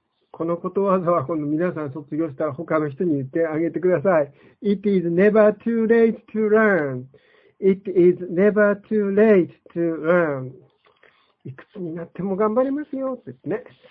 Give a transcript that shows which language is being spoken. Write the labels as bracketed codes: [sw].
[ja] このことわざは今度皆さん卒業したら他の人に言ってあげてください。 [en] It is never too late to learn. It is never too late to learn. [ja] いくつになっても頑張りますよってね。